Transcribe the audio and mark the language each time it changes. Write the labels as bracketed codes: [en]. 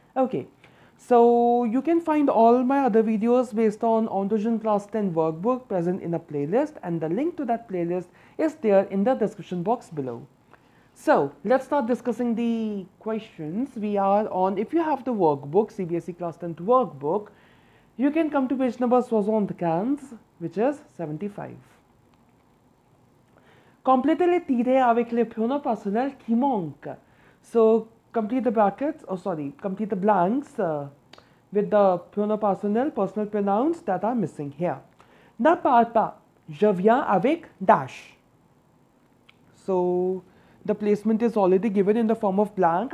[en] Okay, so you can find all my other videos based on Entre Jeunes Class 10 workbook present in a playlist, and the link to that playlist is there in the description box below. So let's start discussing the questions. We are on, if you have the workbook, CBSE Class 10th workbook, you can come to page number 75, which is 75. [fr] Complete les tirets avec le pronom personnel qui manque. [en] So, complete the brackets, oh sorry, complete the blanks with the pronom personnel, personal pronouns that are missing here. [fr] Ne parle pas, je viens avec dash. [en] So, the placement is already given in the form of blank.